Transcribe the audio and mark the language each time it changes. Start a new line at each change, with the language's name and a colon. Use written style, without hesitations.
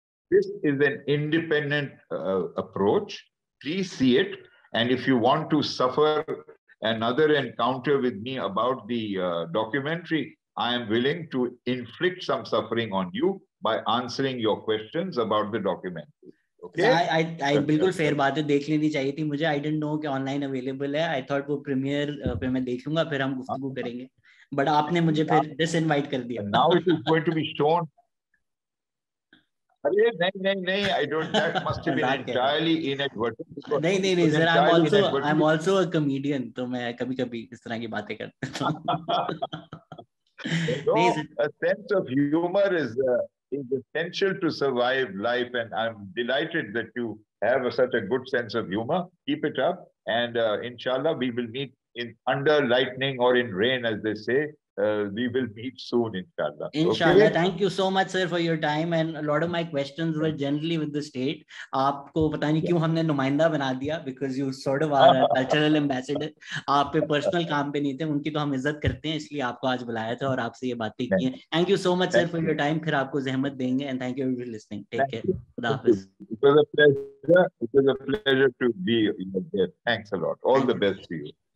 English: This is an independent approach. Please see it. And if you want to suffer another encounter with me about the documentary, I am willing to inflict some suffering on you by answering your questions about the documentary. Okay.
Hindi: I बिल्कुल fair बात है, देख लेनी चाहिए थी मुझे.
English: I didn't know
Hindi: कि online available है.
English: I thought
Hindi: वो प्रीमियर पे मैं देखूंगा, फिर हम गुफ्तगू करेंगे. But आपने मुझे फिर डिसइनवाइट कर दिया.
English: Now it is going to be shown.
Hindi: अरे नहीं,
English: I don't, that must have been entirely inadvertent.
Hindi: नहीं sir,
English: I'm also a comedian,
Hindi: तो मैं कभी कभी इस तरह की बातें करता हूँ.
English: A sense of humor is essential to survive life, and I'm delighted that you have such a good sense of humor. Keep it up, and inshallah we will meet in under lightning or in rain, as they say. We will meet soon, inshallah. Inshallah. Okay? Thank you so much, sir, for your time. And a lot of my questions were generally with the state.
Hindi: आपको पता नहीं क्यों हमने नुमाइंदा बना दिया,
English: because you sort of are a cultural ambassador.
Hindi: आप पे personal काम पे नहीं थे, उनकी तो हम इज्जत करते हैं, इसलिए आपको आज बुलाया था और आपसे ये बातें की हैं.
English: Thank you so much, sir, for your time.
Hindi: फिर आपको ज़हमत देंगे,
English: and thank you for listening. Take care. It was a pleasure. It was a pleasure to be your guest. Thanks a lot. All the best to you.